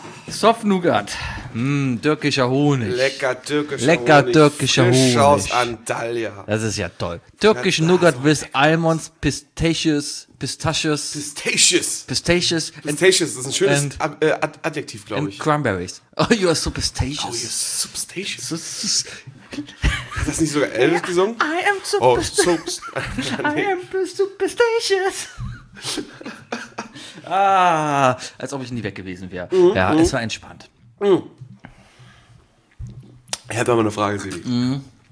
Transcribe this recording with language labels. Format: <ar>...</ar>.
<de>Soft Nougat. Türkischer Honig. Lecker türkischer Honig. Frisch aus Antalya. Das ist ja toll. Türkisch Nougat</de> <en>with Almonds, Pistachios.</en> <de>Das ist ein schönes Adjektiv, glaube ich.</de> <en>And Cranberries. Oh, you are so pistachios. Oh, you are so pistachios.</en> <de>Hat das nicht sogar Elvis gesungen?</de> <en>I am so pistachios. I am so pistachios.</en> <de>Ah, als ob ich nie weg gewesen wäre. Mm-hmm. Ja, es war entspannt. Mm. Ich hätte aber eine Frage, Sebi. Mm.</de>